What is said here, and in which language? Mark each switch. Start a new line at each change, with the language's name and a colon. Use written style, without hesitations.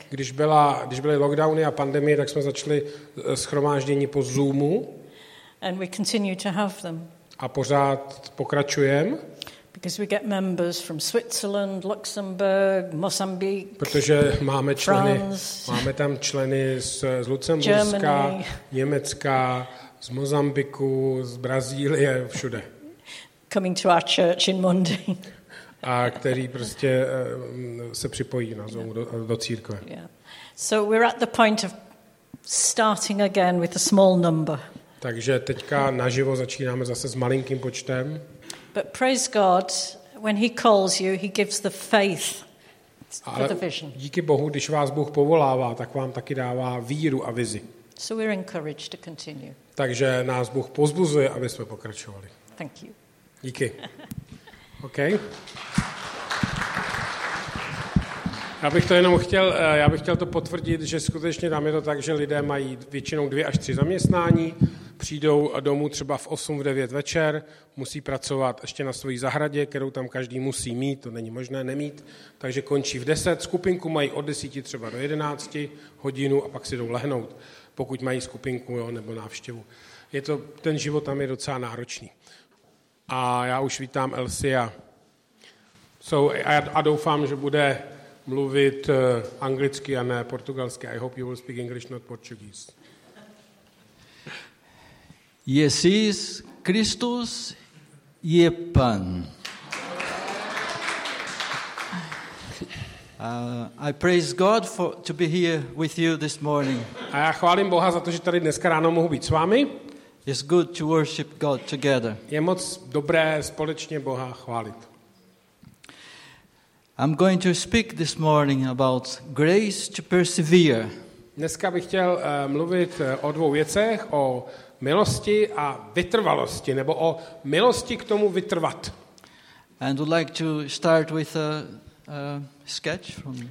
Czech: Když byly lockdowny a pandemie, tak jsme začali shromáždění po Zoomu.
English: And we continue to have them.
Czech: A pořád pokračujeme.
English: Because we get members from Switzerland, Luxembourg, Mozambique.
Czech: Protože máme členy, máme tam členy z Lucemburska, Německa, z Mozambiku, z Brazílie, všude.
English: Coming to our church in Monday.
Czech: A který prostě se připojí na Zoom do církve.
English: So we're at the point of starting again with a small number.
Czech: Takže teďka naživo začínáme zase s malinkým počtem.
English: But praise God, when he calls you, he gives the faith for the vision.
Czech: Díky Bohu, když vás Bůh povolává, tak vám taky dává víru a vizi.
English: So we're encouraged to continue.
Czech: Takže nás Bůh pozbuzuje, aby jsme pokračovali.
English: Thank you.
Czech: Díky. Okay. Já bych chtěl to potvrdit, že skutečně tam je to tak, že lidé mají většinou 2 až 3 zaměstnání. přijdou domů třeba v 8, v 9 večer, musí pracovat ještě na své zahradě, kterou tam každý musí mít, to není možné nemít, takže končí v 10, skupinku mají od 10 třeba do 11 hodinu a pak si jdou lehnout, pokud mají skupinku, jo, nebo návštěvu. Je to, ten život tam je docela náročný. A já už vítám Elsia. A doufám, že bude mluvit anglicky a ne portugalsky.
English: I hope you will speak English, not Portuguese.
Czech: Jesus Christus je Pan.
English: I praise God for to be here with you this morning.
Czech: A já chválím Boha za to, že tady dneska ráno mohu být s vámi.
English: It's good to worship God together.
Czech: Je moc dobré společně Boha chválit.
English: I'm going to speak this morning about grace to persevere.
Czech: Dneska bych chtěl mluvit o dvou věcech, o milosti a vytrvalosti, nebo o milosti k tomu vytrvat.
English: And would like to start with a sketch from.